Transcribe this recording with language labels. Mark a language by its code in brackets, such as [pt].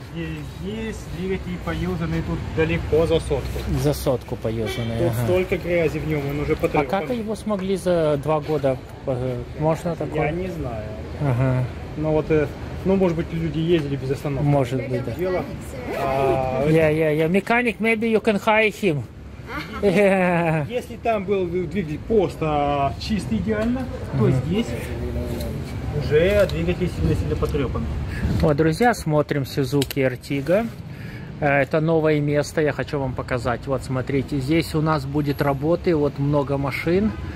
[ru] Здесь двигатель поюзанный, тут далеко за сотку. За сотку поюзанный, тут ага. Столько грязи в нем, он уже потрепан. А как его смогли за 2 года? Можно такое? Я не знаю. Ага. Но вот, ну, может быть, люди ездили без остановки. Может быть, да. Дело. Я механик, [en] maybe you can hire him. Yeah. [ru] Если там был двигатель просто чистый идеально, то здесь уже двигатель сильно потрепан. Вот, друзья, смотрим Suzuki Ertiga. Это новое место, я хочу вам показать. Вот, смотрите, здесь у нас будет работы, вот много машин.